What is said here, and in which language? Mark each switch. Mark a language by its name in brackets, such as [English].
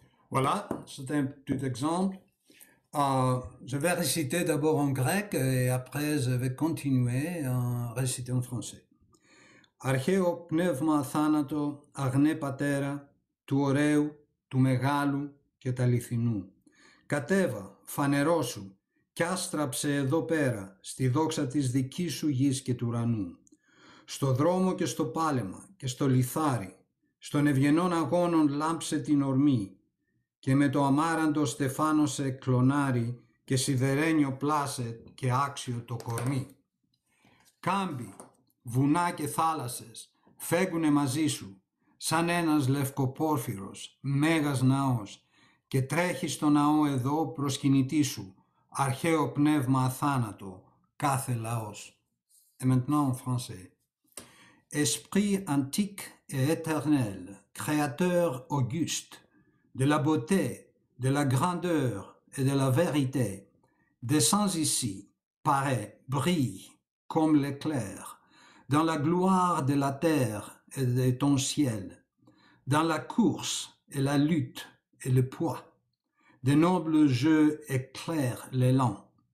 [French] Voilà, c'est un petit exemple. Je vais réciter d'abord en grec et après je vais continuer en réciter en français. [Greek] Archeo pneuma athanato agne patera του ωραίου, του μεγάλου και τα αληθινού. Κατέβα, φανερώσου, κι άστραψε εδώ πέρα, στη δόξα της δικής σου γης και του ουρανού. Στο δρόμο και στο πάλεμα και στο λιθάρι, στον ευγενών αγώνων λάμψε την ορμή και με το αμάραντο στεφάνωσε κλονάρι και σιδερένιο πλάσε και άξιο το κορμί. Κάμπι, βουνά και θάλασσες, φέγγουνε μαζί σου, σαν ένας λευκοπόρφυρος, μέγας ναός, και τρέχει στο ναό εδώ προσκυνητή σου, αρχαίο πνεύμα αθάνατο, κάθε λαός. [French] Et maintenant en français. Esprit antique et éternel, créateur auguste, de la beauté, de la grandeur et de la vérité, descends ici, paraît, brille, comme l'éclair, dans la gloire de la terre, et de ton ciel, dans la course et la lutte et le poids, de nobles jeux éclairent l'élan.